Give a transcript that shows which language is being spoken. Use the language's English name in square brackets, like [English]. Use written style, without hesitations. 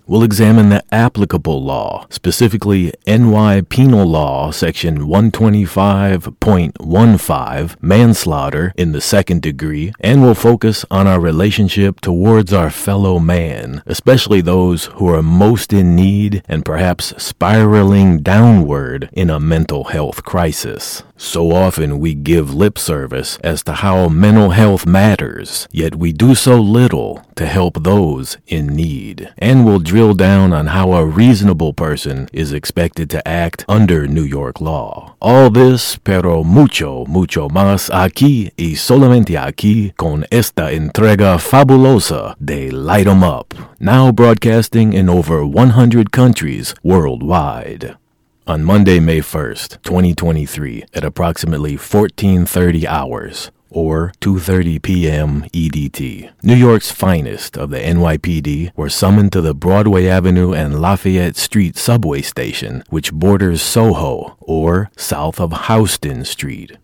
[English] We'll examine the applicable law, specifically NY Penal Law Section 125.15, manslaughter in the second degree, and we'll focus on our relationship towards our fellow man, especially those who are most in need and perhaps spiraling downward in a mental health crisis. So often we give lip service as to how mental health matters, yet we do so little to help those in need. And we'll drill down on how a reasonable person is expected to act under New York law. All this, [Spanish] pero mucho, mucho más aquí y solamente aquí con esta entrega fabulosa de Light 'Em Up, [English] now broadcasting in over 100 countries worldwide. On Monday, May 1st, 2023, at approximately 14:30 hours, or 2:30 p.m. EDT, New York's finest of the NYPD were summoned to the Broadway Avenue and Lafayette Street subway station, which borders Soho, or south of Houston Street.